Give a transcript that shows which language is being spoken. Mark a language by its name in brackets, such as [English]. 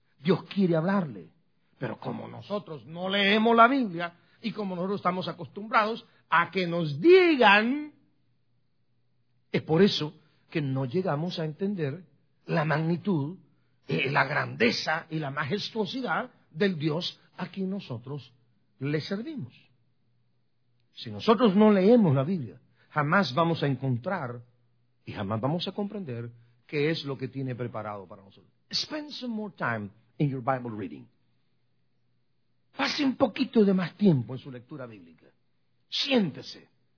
[Spanish] Dios quiere hablarle, pero como nosotros no leemos la Biblia, y como nosotros estamos acostumbrados a que nos digan, es por eso que no llegamos a entender la magnitud, la grandeza y la majestuosidad del Dios a quien nosotros le servimos. Si nosotros no leemos la Biblia, jamás vamos a encontrar y jamás vamos a comprender qué es lo que tiene preparado para nosotros. [English] Spend some more time in your Bible reading. [Spanish] Pase un poquito de más tiempo en su lectura bíblica. Siéntese.